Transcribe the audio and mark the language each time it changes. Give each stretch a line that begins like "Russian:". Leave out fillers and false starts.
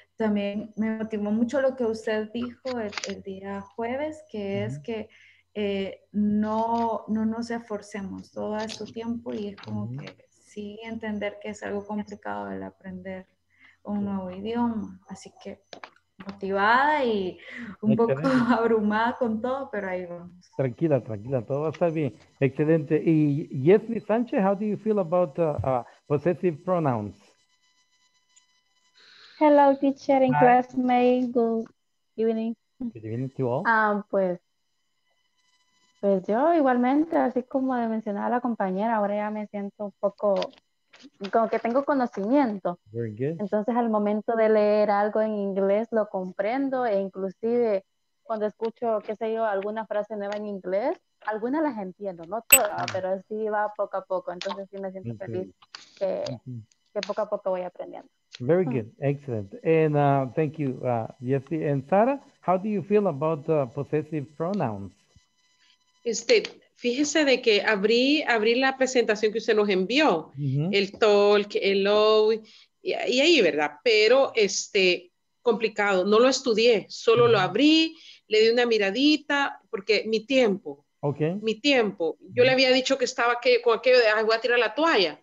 Spanish: también me motivó mucho lo que usted dijo el día jueves, que es que no nos esforcemos todo este tiempo y es como que sí entender que es algo complicado el aprender un nuevo idioma. Así que motivada y un poco abrumada con todo, pero ahí vamos. Tranquila, tranquila, todo va a estar bien. Excelente.
English: Y Yesli Sánchez, how do you feel about possessive pronouns? Hello, teacher and classmate. Good evening. Good evening to all.
Spanish: Pues yo igualmente, así como mencionaba la compañera, ahora ya me siento un poco como que tengo conocimiento.
English: Very good.
Spanish: Entonces al momento de leer algo en inglés lo comprendo e inclusive cuando escucho, qué sé yo, alguna frase nueva en inglés, algunas las entiendo, no todas, pero así va poco a poco. Entonces sí me siento feliz que poco a poco voy aprendiendo.
English: Very good. Excellent. And thank you, Jesse. And Sara, how do you feel about the possessive pronouns?
Spanish: Fíjese de que abrí la presentación que usted nos envió, el talk, hello, y ahí, ¿verdad? Pero, complicado, no lo estudié, solo lo abrí, le di una miradita, porque mi tiempo, yo le había dicho que estaba con aquello de, ay, voy a tirar la toalla.